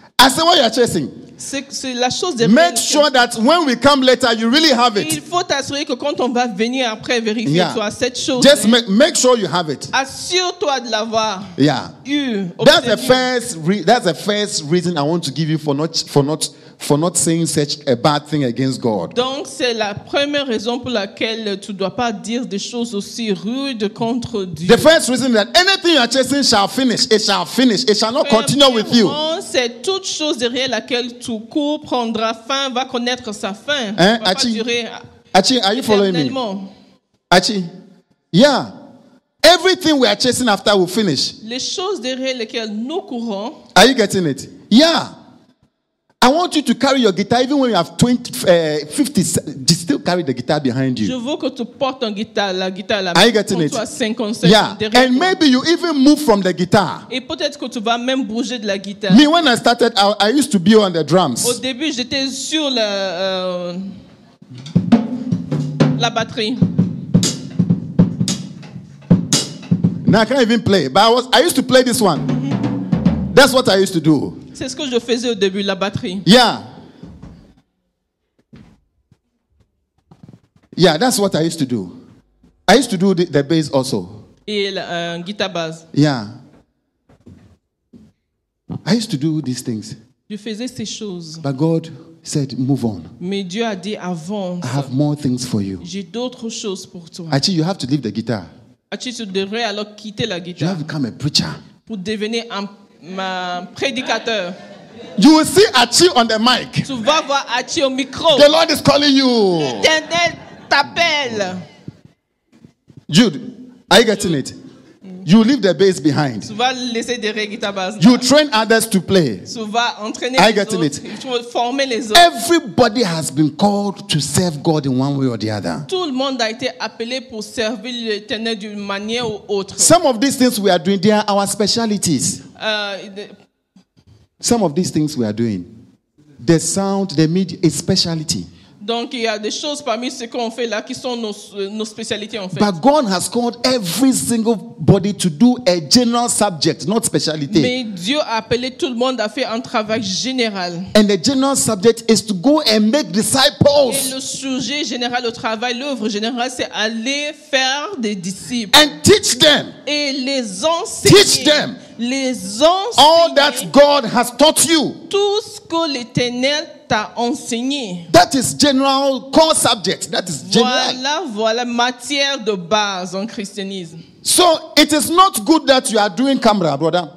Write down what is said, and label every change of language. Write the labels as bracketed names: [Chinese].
[English] I said, what you are chasing? [French] C'est la chose de [English] make sure that when we come later, you really have it. [French] Il faut t'assurer que quand on va venir après, vérifier toi cette chose. [English] Just make sure you have it. [French] Assure-toi de l'avoir. [English] Yeah. That's the first reason I want to give you for not saying such a bad thing against God. [French] Donc c'est la première raison pour laquelle tu dois pas dire des choses aussi rudes contre Dieu. [English] The first reason that anything you are chasing shall finish. It shall finish. It shall not continue with you. [French] C'est toute chose derrière laquelle tu cours prendra fin, va connaître sa fin. Hein? Va Achi, pas durer. [English] Achi, are you following me? Achi, yeah. Everything we are chasing after will finish. [French] Les choses derrière lesquelles nous courons. [English] Are you getting it? Yeah. I want you to carry your guitar even when you have 50, you still carry the guitar behind you. [French] Je veux que tu portes une guitare, la guitare là. [English] Are you getting it? Yeah. And maybe you even move from the guitar. [French] Et peut-être que tu vas même bouger de la guitare. [English] Me, when I started, I used to be on the drums. [French] Au début, j'étais sur la batterie. [English] Now I can't even play, but I used to play this one. That's what I used to do. [French] C'est ce que je faisais au début, la batterie. [English] Yeah. Yeah, that's what I used to do. I used to do the bass also. [French] Et la guitare basse. [English] Yeah. I used to do these things. [French] Je faisais ces choses. [English] But God said, move on. [French] Mais Dieu a dit, avance. [English] I have more things for you. [French] J'ai d'autres choses pour toi. [English] Actually, you have to leave the guitar. [French] Actually, tu devrais alors quitter la guitare. [English] You have to become a preacher. [French] Pour devenir un prédicateur. [English] You will see Achi on the mic. [French] Tu vas voir Achi au micro. [English] The Lord is calling you. [French] L'Éternel t'appelle. [English] Jude, are you getting it? You leave the bass behind. [French] Tu vas laisser derrière ta basse. [English] You train others to play. [French] Tu vas entraîner les autres. [English] It. [French] Tu vas former les autres. [English] Everybody has been called to serve God in one way or the other. [French] Tout le monde a été appelé pour servir l'Éternel d'une manière ou autre. [English] Some of these things we are doing, they are our specialties. Some of these things we are doing, the sound, the media, is speciality. [French] Donc il y a des choses parmi ce qu'on fait là qui sont nos spécialités en fait. [English] But God has called every single body to do a general subject, not specialty. [French] Mais Dieu a appelé tout le monde à faire un travail général. [English] And the general subject is to go and make disciples. [French] Et le sujet général au travail, l'œuvre générale, c'est aller faire des disciples. [English] And teach them. [French] Et les enseigner. [English] Teach them. [French] Les enseigner. [English] All that God has taught you. [French] Tout ce que l'Éternel t'a enseigné. [English] That is general core subject. That is general. [French] Voilà matière de base en christianisme. [English] So it is not good that you are doing camera, brother.